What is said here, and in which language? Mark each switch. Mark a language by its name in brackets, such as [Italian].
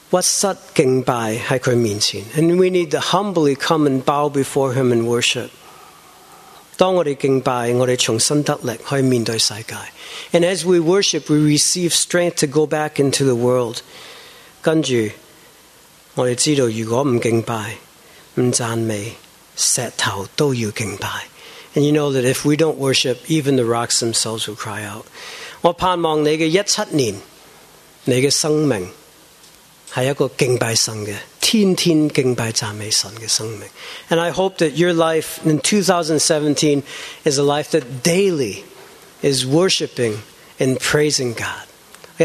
[Chinese] 我们要谦卑屈膝敬拜在他面前. [English] And we need to humbly come and bow before him and worship. [Chinese] 当我们敬拜，我们重新得力去面对世界. [English] And as we worship, we receive strength to go back into the world. [Chinese] 跟着，我们知道如果不敬拜、不赞美，石头都要敬拜. [English] And you know that if we don't worship, even the rocks themselves will cry out. [Chinese] 我盼望你的17年, 你的生命是一个敬拜神的，天天敬拜赞美神的生命. [English] And I hope that your life in 2017 is a life that daily is worshiping and praising God.